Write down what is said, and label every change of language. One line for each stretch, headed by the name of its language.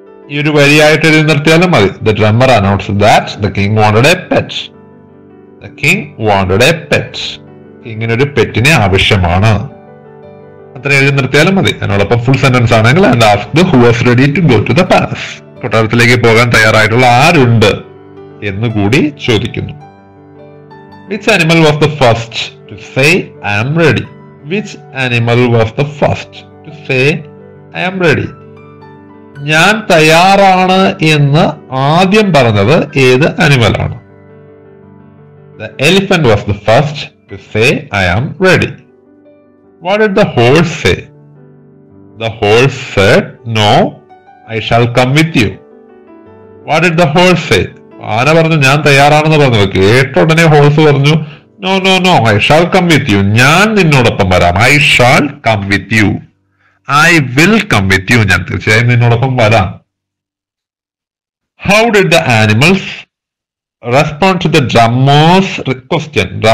Malayalam: ഈ ഒരു വരിയായിട്ട് ഇത് നിർത്തിയാലും മതി.
English: The drummer announced that the king wanted a pet. The king wanted a pet.
Malayalam: കിങ്ങിനൊരു പെറ്റിനെ ആവശ്യമാണ്. അത്രയും എഴുതി നിർത്തിയാലും മതി. അതിനോടൊപ്പം ഫുൾ സെന്റൻസ് ആണെങ്കിൽ
English: and asked who was ready to go to the palace.
Malayalam: കൊട്ടാരത്തിലേക്ക് പോകാൻ തയ്യാറായിട്ടുള്ള ആരുണ്ട് എന്ന് കൂടി ചോദിക്കുന്നു.
English: Which animal was the first to say, I am ready? Which animal was the first to say, I am ready?
Malayalam: ഞാൻ തയ്യാറാണ് എന്ന് ആദ്യം പറഞ്ഞത് ഏത് അനിമൽ ആണ്?
English: The elephant was the first to say, I am ready. What did the horse say? The horse said, no, I shall come with you. What did the horse say?
Malayalam: ആന പറഞ്ഞു ഞാൻ തയ്യാറാണെന്ന് പറഞ്ഞു. കേട്ട ഉടനെ
English: horse പറഞ്ഞു, no no no, I shall come with you,
Malayalam: ഞാൻ നിന്നോടൊപ്പം വരാം.
English: I shall come with you, I will come with you,
Malayalam: ഞാൻ തീർച്ചയായും നിന്നോടൊപ്പം വരാം.
English: How did the animals respond to the drummer's request?